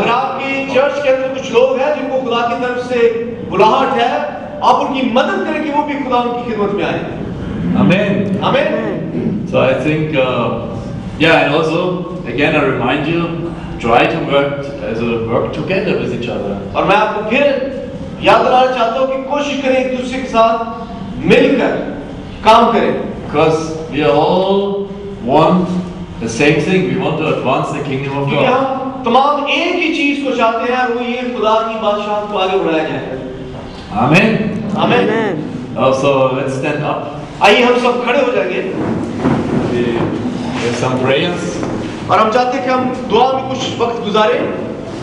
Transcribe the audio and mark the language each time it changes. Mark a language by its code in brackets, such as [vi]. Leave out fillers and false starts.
[hi] अगर आपके चर्च के अंदर कुछ लोग हैं जिनको खुदा की तरफ से बुलाहट है, आप उनकी मदद करें कि वो भी खुदा उनकी खिदमत में आए। [en] Amen. Amen. So I think, and also again I remind you, try to work together with each other. [hi] और मैं आपको फिर याद दिलाना चाहता हूँ कि कोशिश करें एक दूसरे के साथ मिलकर काम करें। [en] Because we are all want the same thing. We want to advance the kingdom of God. [hi] तमाम एक ही चीज को चाहते हैं और ये खुदा की बादशाह को आगे बढ़ाया जाए। [en] Amen. Amen. So let's stand up. [hi] आइए हम सब खड़े हो जाएंगे। [en] We have some prayers. [hi] और हम चाहते हैं कि हम दुआ में कुछ वक्त गुजारें।